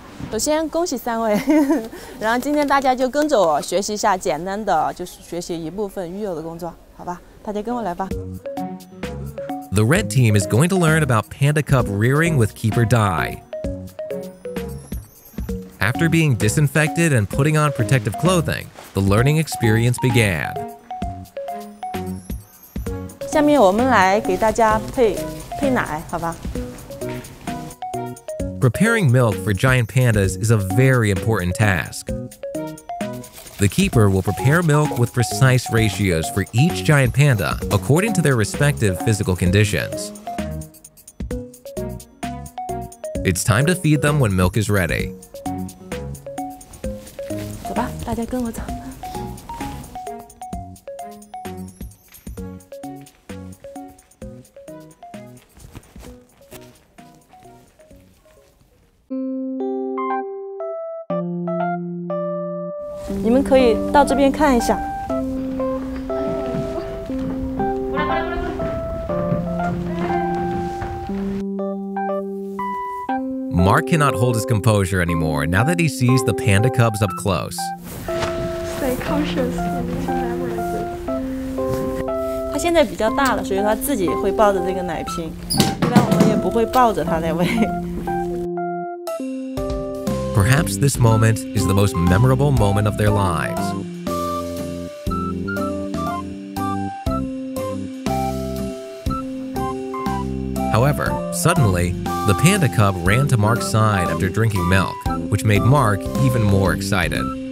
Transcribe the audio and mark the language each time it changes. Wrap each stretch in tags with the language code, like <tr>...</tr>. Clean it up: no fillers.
<zh>首先恭喜三位，然后今天大家就跟着我学习一下简单的，就是学习一部分育幼的工作，好吧？大家跟我来吧。</zh> <en>The red team is going to learn about panda cub rearing with keeper Dai. After being disinfected and putting on protective clothing, the learning experience began.</en> <zh>下面我们来给大家配奶，好吧？</zh> <en>Preparing milk for giant pandas is a very important task. The keeper will prepare milk with precise ratios for each giant panda according to their respective physical conditions. It's time to feed them when milk is ready.</en> <zh>走吧，大家跟我走。你们可以到这边看一下。</zh> <en>Mark cannot hold his composure anymore now that he sees the panda cubs up close. Stay cautious.</en> <zh>他现在比较大了，所以他自己会抱着这个奶瓶，一般我们也不会抱着他在喂。</zh> <en>Perhaps this moment is the most memorable moment of their lives. However, suddenly, the panda cub ran to Mark's side after drinking milk, which made Mark even more excited.</en>